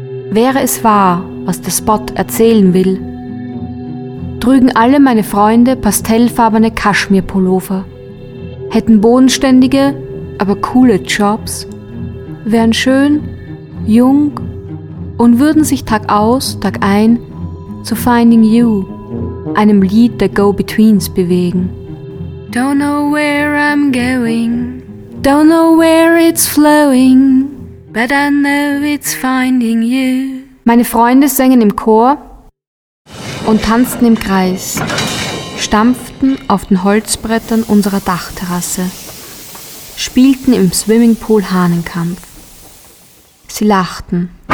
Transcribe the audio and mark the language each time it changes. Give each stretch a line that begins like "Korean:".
German: Wäre es wahr, was der Spot erzählen will, trügen alle meine Freunde pastellfarbene Kaschmirpullover, hätten bodenständige, aber coole Jobs, wären schön, jung und würden sich Tag aus, Tag ein zu Finding You, einem Lied der Go-Betweens, bewegen.
English: Don't know where I'm going, don't know where it's flowing, but I know it's finding you.
German: Meine Freunde sängen im Chor und tanzten im Kreis, stampften auf den Holzbrettern unserer Dachterrasse, spielten im Swimmingpool Hahnenkampf. Sie lachten.